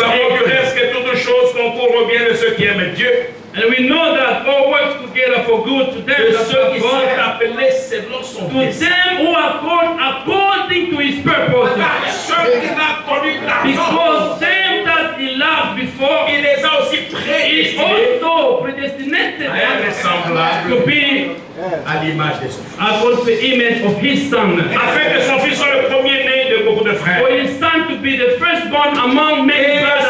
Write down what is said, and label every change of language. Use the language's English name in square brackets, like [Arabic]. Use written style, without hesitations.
[French] Nous savons du reste que toutes choses concourent au bien de ceux qui aiment Dieu. [English] And we know that all works together for good to them. [French] De ceux qui sont appelés selon son [English] destin. To them who are called according to his purpose. [French] Ceux qui l'a connu d'avant. [English] Because them that he loved before. [French] Il les a aussi prédestinés. [English] He also predestined them. [French] Semblable. [English] To be. [French] À l'image de son fils. [English] According to the image of his son. [French] Afin que son fils soit le premier né de beaucoup de frères. [English] For his son to be the firstborn among many brothers.